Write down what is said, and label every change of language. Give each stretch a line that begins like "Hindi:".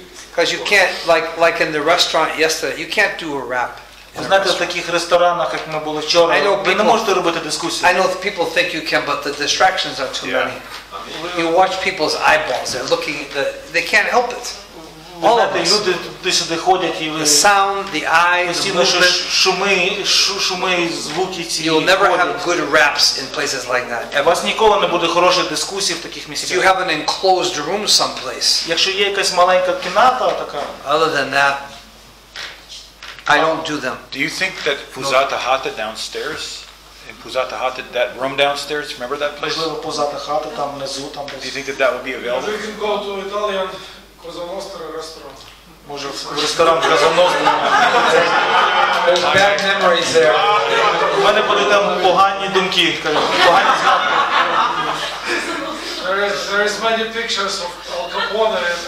English: Because you can't, like in the restaurant yesterday, you can't do a rap.
Ukrainian: Знаєте, в таких ресторанах, як ми були вчора, ви не можете робити дискусію.
English: I know people think you can, but the distractions are too many. You watch people's eyeballs, they're looking, they can't help it. All of us.
Ukrainian: Люди туди-сюди ходять, і ви...
English: The sound, the eyes, the movement.
Ukrainian: Шуми, звуки ці...
English: You'll never have good raps in places like that.
Ukrainian: У вас ніколи не буде хороших дискусій в таких місцях.
English: If you have an enclosed room someplace.
Ukrainian: Якщо є якась маленька кімната така...
English: Other than that, I don't do them. Do you think that Puzatahata downstairs, in Puzatahata, that room downstairs, remember that place?
Ukrainian: Можливо, Puzatahata там внизу, там десь.
English: Do you think that would be available? You can go to Italian Cosa Nostra restaurant.
Ukrainian: Може, в ресторан Cosa Nostra.
English: There's bad memories there.
Ukrainian: У мене були там погані думки, кажуть, погані згадки.
English: There is many pictures of Al Capone.